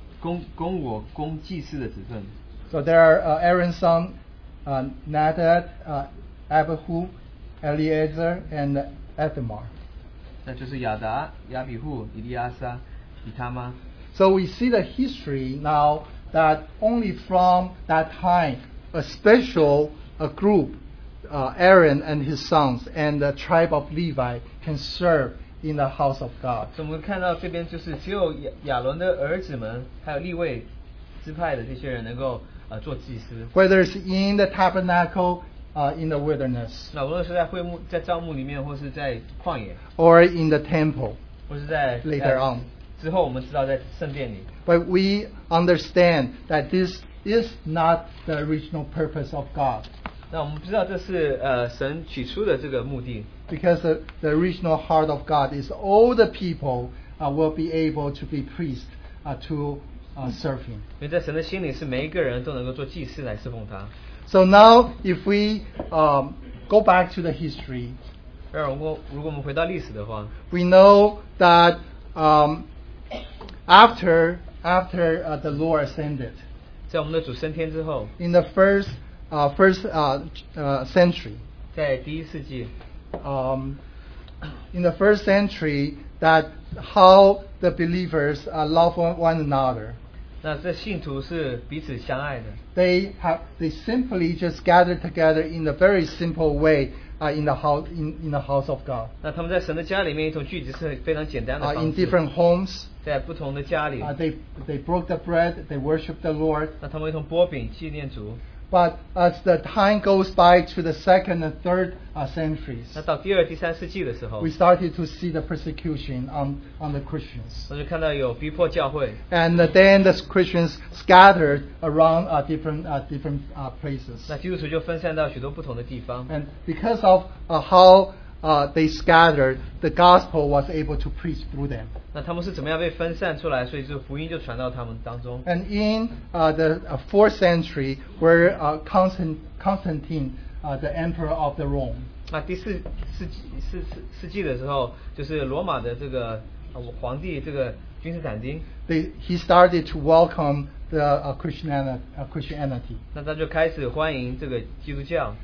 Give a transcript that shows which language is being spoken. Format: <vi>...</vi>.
<zh>你要从以色列中，以色列人中使你的哥哥亚伦和他的儿子拿达、亚比户、以利亚撒、以他玛一同进你，供我供祭祀的职分。So</zh> <en>there are Aaron's son, Nadab, Abihu, Eleazar, and Ithamar.</en> <zh>那就是亚达、亚比户、以利亚撒、以他玛。So</zh> <en>we see the history now that only from that time a special group. Aaron and his sons and the tribe of Levi can serve in the house of God. So we can see here that only Aaron's sons and the tribe of Levi can serve in the house of God. Whether it's in the tabernacle, in the wilderness, or in the temple, later on.</en> <zh>之后我们知道在圣殿里,</zh> <en>but we understand that this is not the original purpose of God.</en> <zh>那我们知道这是,</zh> <en>because the original heart of God is all the people will be able to be priests to serve Him.</en> <zh>因为在神的心里是每一个人都能够做祭司来侍奉他。</zh> <en>So now, if we go back to the history,</en> <zh>如果我们回到历史的话,</zh> <en>we know that after the Lord ascended,</en> <zh>在我们的主升天之后,</zh> <en>in the first century.</en> <zh>在第一世纪,</zh> <en>in the first century, that how the believers love one another.</en> <zh>那这信徒是彼此相爱的,</zh> <en>they simply just gathered together in a very simple way in the house of God.</en> <zh>那他们在神的家里面一同聚集是非常简单的方式,</zh> <en>in different homes.</en> <zh>在不同的家里,</zh> <en>they broke the bread, they worshiped the Lord.</en> <zh>那他们一同擘饼纪念主。</zh> <en>But as the time goes by to the second and third centuries,</en> <zh>那到第二、第三世纪的时候,</zh> <en>we started to see the persecution on the Christians.</en> <zh>那就看到有逼迫教会,</zh> <en>and then the Christians scattered around different places.</en> <zh>那基督徒就分散到许多不同的地方,</zh> <en>and because of how they scattered, the gospel was able to preach through them.</en> <zh>那他们是怎么样被分散出来, 所以就福音就传到他们当中。</zh> <en>And in the 4th century, where Constantine, the emperor of the Rome,</en> <zh>那第四世纪的时候, 就是罗马的这个, 皇帝这个君士坦丁,</zh> <en>he started to welcome the Christianity.</en> <zh>那他就开始欢迎这个基督教。</zh>